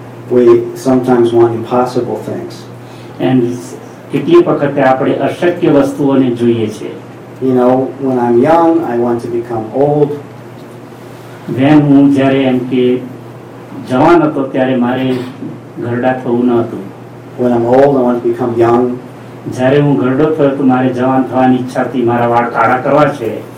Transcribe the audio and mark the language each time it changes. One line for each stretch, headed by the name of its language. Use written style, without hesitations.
English: we sometimes want impossible things.
Gujarati: And કેટલી વખતે આપણે અશક્ય વસ્તુઓને જોઈએ છે.
English: You know, when I'm young, I want to become old.
Gujarati: When હું જ્યારે એમ કે જવાન હતો ત્યારે મારે ઘરડા થવું ન હતું.
English: When I'm old, I want to become young.
Gujarati: જ્યારે હું ઘરડો થયો તો મારે જવાન થવાની ઈચ્છા હતી, મારા વાળ કાળા કરવા છે.